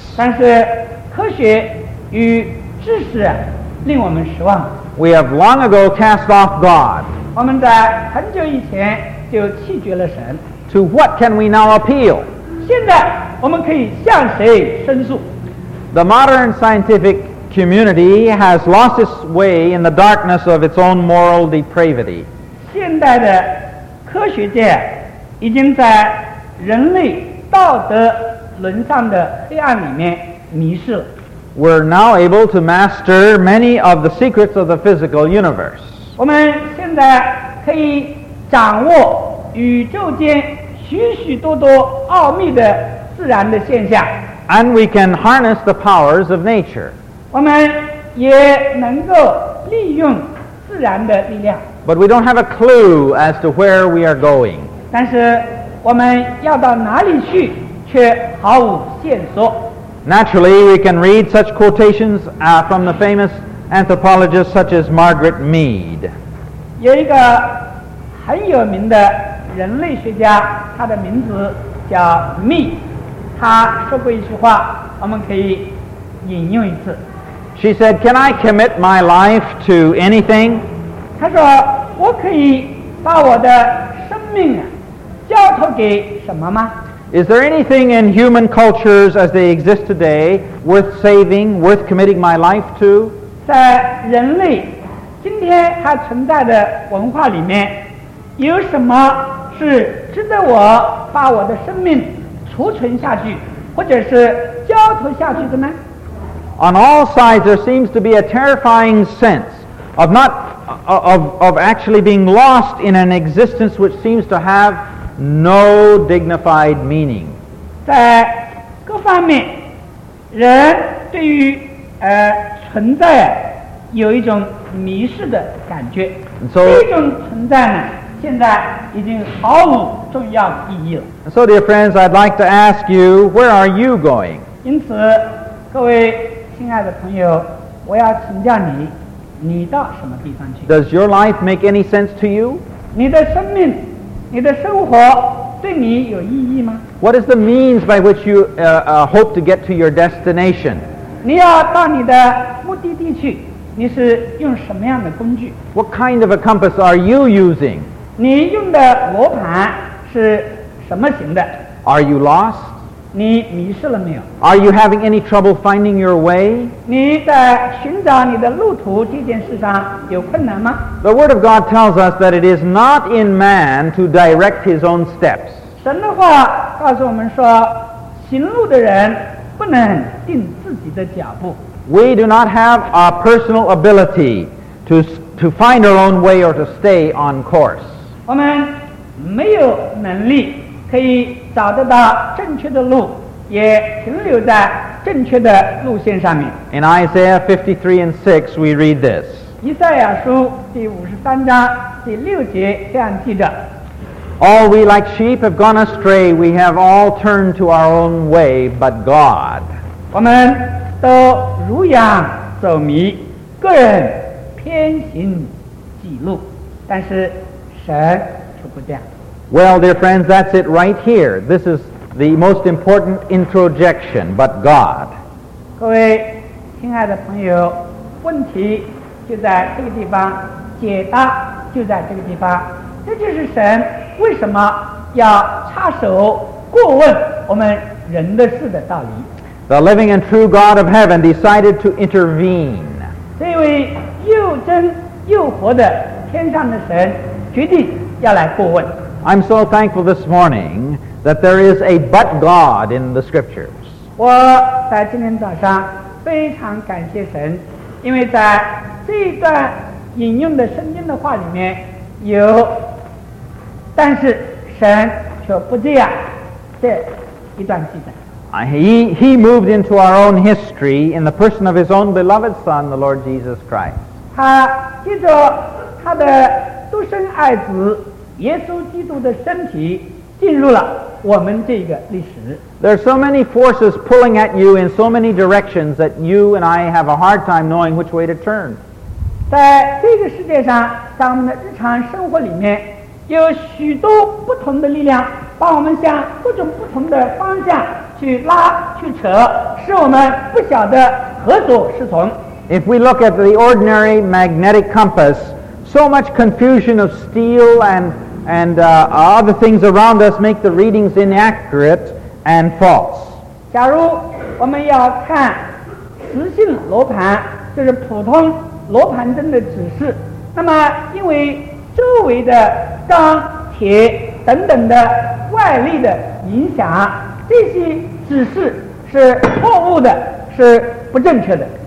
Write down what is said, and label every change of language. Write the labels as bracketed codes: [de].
[zh] 但是科学与知识啊，令我们失望。 [en] We have long ago cast off God. [zh] 我们在很久以前就弃绝了神。 [en] To what can we now appeal? [zh] 现在我们可以向谁申诉？ [en] The modern scientific community has lost its way in the darkness of its own moral depravity. [zh] 现代的科学界已经在人类道德沦丧的黑暗里面迷失了。 [en] We're now able to master many of the secrets of the physical universe. [zh] 我们现在可以掌握宇宙间许许多多奥秘的自然的现象。 [en] And we can harness the powers of nature. [zh] 我们也能够利用自然的力量。 [en] But we don't have a clue as to where we are going. [zh] 但是我们要到哪里去却毫无线索。 [en] Naturally, we can read such quotations from the famous anthropologist such as Margaret Mead. [zh] 有一个很有名的人类学家，他的名字叫 Mead。他说过一句话，我们可以引用一次。 [en] She said, "Can I commit my life to anything?" [zh] 他说，我可以把我的生命啊，交托给什么吗？ [en] Is there anything in human cultures as they exist today worth saving, worth committing my life to? [zh] 在人类今天还存在的文化里面，有什么是值得我把我的生命储存下去，或者是交托下去的呢？ [en] On all sides, there seems to be a terrifying sense of actually being lost in an existence which seems to have. No dignified meaning. [zh] 在各方面，人对于存在有一种迷失的感觉。 [en] So, [zh] 这种存在呢，现在已经毫无重要意义了。 [en] So, dear friends, I'd like to ask you, where are you going? [zh] 因此，各位亲爱的朋友，我要请教你，你到什么地方去？ [en] Does your life make any sense to you? [zh] 你的生命。你的生活对你有意义吗？ [en] What is the means by which you hope to get to your destination? [zh] 你要到你的目的地去，你是用什么样的工具？ [en] What kind of a compass are you using? [zh] 你用的罗盘是什么型的？ [en] Are you lost? [zh] 你迷失了没有？ [en] Are you having any trouble finding your way? [zh] 你在寻找你的路途这件事上有困难吗？ [en] The word of God tells us that it is not in man to direct his own steps. [zh] 神的话告诉我们说，行路的人不能定自己的脚步。 [en] We do not have a personal ability to find our own way or to stay on course. [zh] 我们没有能力可以找得到正确的路，也停留在正确的路线上面。 [en] In Isaiah 53 and 6, we read this. [zh] 以赛亚书第53章第6节这样记着。 [en] All we like sheep have gone astray, we have all turned to our own way, but God. [zh] 我们都如羊走迷，个人偏行己路，但是神却不这样。 [en] Well, dear friends, that's it right here. This is the most important introjection, but God. [zh] 各位亲爱的朋友，问题就在这个地方，解答就在这个地方。这就是神为什么要插手过问我们人的事的道理。 [en] The living and true God of heaven decided to intervene. [zh] 这位又真又活的天上的神决定要来过问。 [en] I'm so thankful this morning that there is a but God in the scriptures. [zh] 我在今天早上非常感谢神，因为在这一段引用的圣经的话里面有但是神却不这样这一段记载。 [en] He moved into our own history in the person of his own beloved son, the Lord Jesus Christ. [zh] 他记着他的独生爱子耶稣基督的身体进入了我们这个历史。 [en] There are so many forces pulling at you in so many directions that you and I have a hard time knowing which way to turn. [zh] 在这个世界上，在我们的日常生活里面，有许多不同的力量，把我们向各种不同的方向去拉、去扯，使我们不晓得何左是从。 [en] If we look at the ordinary magnetic compass, so much confusion of steel and other things around us make the readings inaccurate and false. [zh] 假如我们要看磁性罗盘，就是普通罗盘灯的指示，那么因为周围的钢、铁等等的外力的影响，这些指示是错误的，是不正确的。